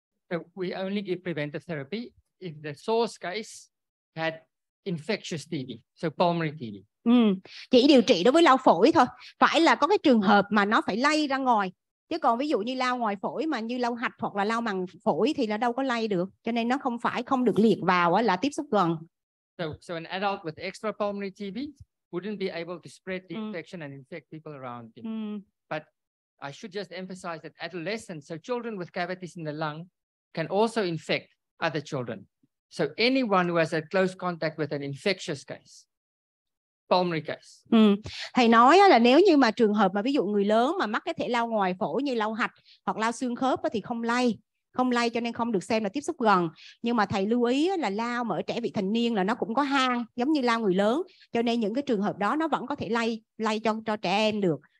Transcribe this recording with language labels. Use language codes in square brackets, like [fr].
[en] So we only give preventive therapy if the source case had infectious TB, so pulmonary TB. [vi] Chỉ điều trị đối với lao phổi thôi. Phải là có cái trường hợp mà nó phải lây ra ngoài. Chứ còn ví dụ như lao ngoài phổi mà như lao hạch hoặc là lao màng phổi thì nó đâu có lây được. Cho nên nó không phải không được liệt vào là tiếp xúc gần. [en] So an adult with extra pulmonary TB wouldn't be able to spread the infection and infect people around him. But I should just emphasize that adolescents, so children with cavities in the lung, can also infect other children. So anyone who has a close contact with an infectious case, pulmonary case. [vi] Thầy nói là nếu như mà trường hợp mà ví dụ người lớn mà mắc cái thể lao ngoài phổi như lao hạch hoặc lao xương khớp thì không lây. Không lây cho nên không được xem là tiếp xúc gần. Nhưng mà thầy lưu ý là lao mà ở trẻ vị thành niên là nó cũng có hang giống như lao người lớn. Cho nên những cái trường hợp đó nó vẫn có thể lây cho trẻ em được.